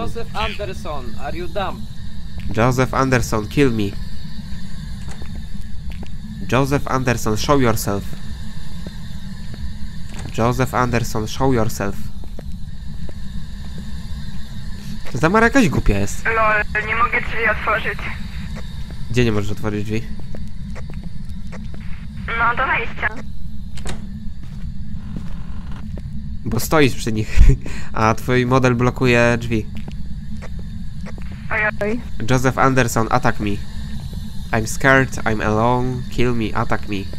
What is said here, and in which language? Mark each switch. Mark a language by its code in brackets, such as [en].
[en] Joseph Anderson, are you dumb? Joseph Anderson, kill me. Joseph Anderson, show yourself. Joseph Anderson, show yourself. [pl] Zamara jakaś głupia jest. Lol, nie mogę drzwi otworzyć. Gdzie nie możesz otworzyć drzwi? No, do wejścia. Bo stoisz przy nich, a twój model blokuje drzwi. Ojoj. [en] Joseph Anderson, attack me. I'm scared, I'm alone, kill me, attack me.